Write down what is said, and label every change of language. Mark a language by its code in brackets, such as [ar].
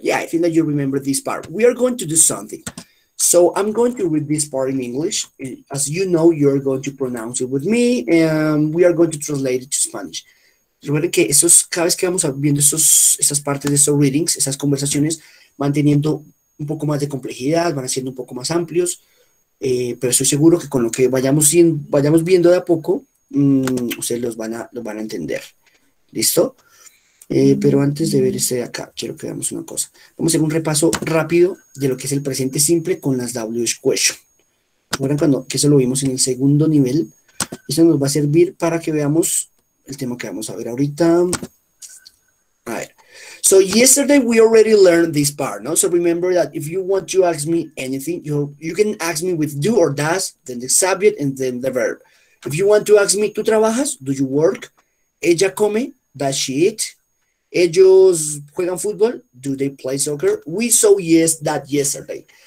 [en] Yeah, I think that you remember this part. We are going to do something. So I'm going to read this part in English. As you know, you're going to pronounce it with me, and we are going to translate it to Spanish. [es] Recuerden que cada vez que vamos viendo esas partes de esos readings, esas conversaciones, van teniendo un poco más de complejidad, van siendo un poco más amplios, pero estoy seguro que con lo que vayamos viendo de a poco, ustedes los van a entender. ¿Listo? Pero antes de ver este de acá, quiero que veamos una cosa. Vamos a hacer un repaso rápido de lo que es el presente simple con las WH question. Recuerden que eso lo vimos en el segundo nivel. Eso nos va a servir para que veamos el tema que vamos a ver ahorita. A ver. [en] So yesterday we already learned this part, ¿no? So remember that if you want to ask me anything, you can ask me with do or does, then the subject and then the verb. If you want to ask me, [es] ¿tú trabajas? [en] Do you work? [es] ¿Ella come? [en] Does she eat? [es] ¿Ellos juegan fútbol? [en] Do they play soccer? We saw yes that yesterday.